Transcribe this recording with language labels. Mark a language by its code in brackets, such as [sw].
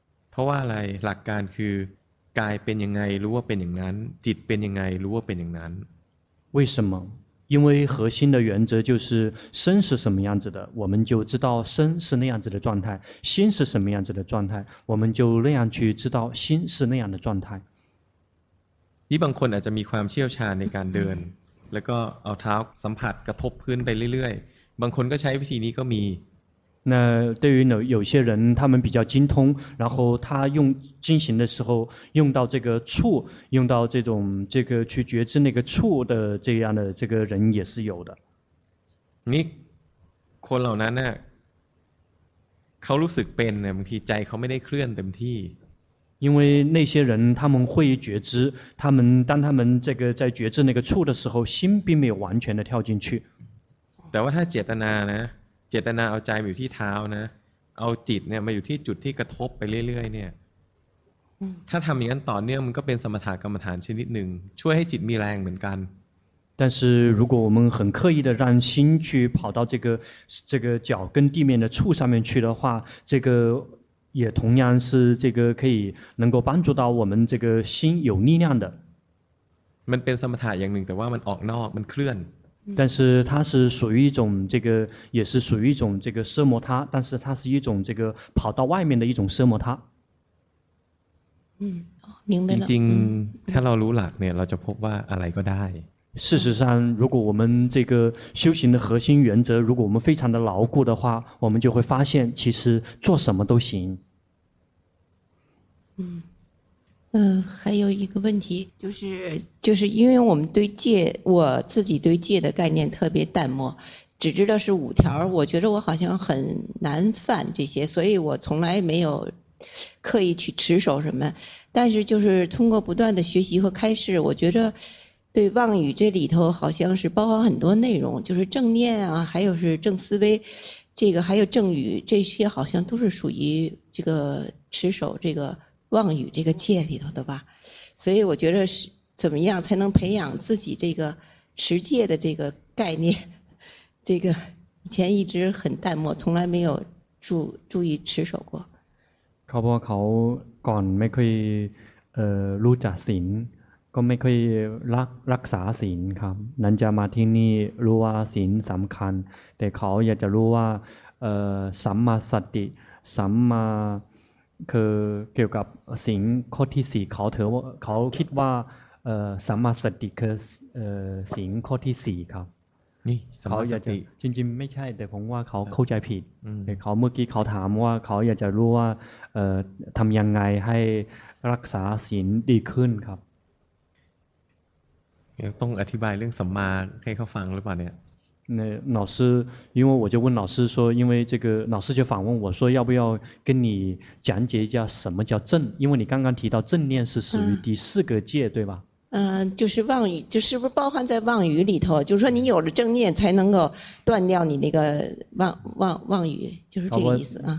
[th] เพราะว่าอะไรหลักการคือกายเป็นยังไงรู้ว่าเป็นอย่างนั้นจิตเป็นยังไงรู้ว่าเป็นอย่างนั้น [zh] 为什么？因为核心的原则就是身是什么样子的，我们就知道身是那样子的状态；心是什么样子的状态，我们就那样去知道心是那样的状态。 [th] 你บางคนอาจจะมีความเชี่ยวชาญในการเดินแล้วก็เอาเท้าสัมผัสกระทบพื้นไปเรื่อยๆบางคนก็ใช้วิธีนี้ก็มี [zh] 那对于有些人他们比较精通然后他用进行的时候用到这个触用到这种这个去觉知那个触的这样的这个人也是有的 [th] นี่คนเหล่านั้นเขารู้สึกเป็นบางทีใจเขาไม่ได้เคลื่อนเต็มที่ [zh] 因为那些人他们会觉知他们当他们这个在觉知那个触的时候心并没有完全的跳进去 [th] แต่ว่าถ้าเจตนานะเจตนาเอาใจอยู่ที่เท้านะเอาจิตเนี่ยมาอยู่ที่จุดที่กระทบไปเรื่อยๆเนี่ยถ้าทำอย่างนั้นต่อเนื่องมันก็เป็นสมถะกรรมฐานชนิดหนึ่งช่วยให้จิตมีแรงเหมือนกัน [zh] 但是如果我们很刻意的让心去跑到这个脚跟地面的触上面去的话这个也同样是这个可以能够帮助到我们这个心有力量的 [th] มันเป็นสมถะอย่างหนึ่งแต่ว่ามันออกนอกมันเคลื่อน [zh] 但是它是属于一种这个也是属于一种这个奢摩他但是它是一种这个跑到外面的一种奢摩他明白了 [th] จริงๆถ้าเรารู้หลักเนี่ยเราจะพบว่าอะไรก็ได้ [zh] 事实上如果我们这个修行的核心原则如果我们非常的牢固的话我们就会发现其实做什么都行还有一个问题就是因为我们对戒我自己对戒的概念特别淡漠只知道是五条我觉得我好像很难犯这些所以我从来没有刻意去持守什么但是就是通过不断的学习和开示我觉得对妄语这里头好像是包含很多内容就是正念啊还有是正思维这个还有正语这些好像都是属于这个持守这个妄语这个戒里头的吧所以我觉得是怎么样才能培养自己这个持戒的这个概念这个以前一直很淡漠从来没有注意持守过 [th] เขาบอกเขาก่อนไม่เคยรู้จักศีลก็ไม่เคยรักษาศีลครับนั้นจะมาที่นี่รู้ว่าศีลสำคัญแต่เขาอยากจะรู้ว่าสัมมาสติสัมมาคือเกี่ยวกับสิ่งข้อที่สี่เขาเถอะเขาคิดว่าสัมมาสติคือสิ่งข้อที่สี่ครับ นี่สัมมาสติ จริงๆไม่ใช่แต่ผมว่าเขาเข้าใจผิดเขาเมื่อกี้เขาถามว่าเขาอยากจะรู้ว่าทำยังไงให้รักษาศีลดีขึ้นครับ เดี๋ยวต้องอธิบายเรื่องสัมมาให้เขาฟังหรือเปล่าเนี่ย [zh] 那老师因为我就问老师说因为这个老师就反问我说要不要跟你讲解一下什么叫正因为你刚刚提到正念是属于第四个戒对吧就是妄语就是不是包含在妄语里头就是说你有了正念才能够断掉你那个妄语就是这个意思啊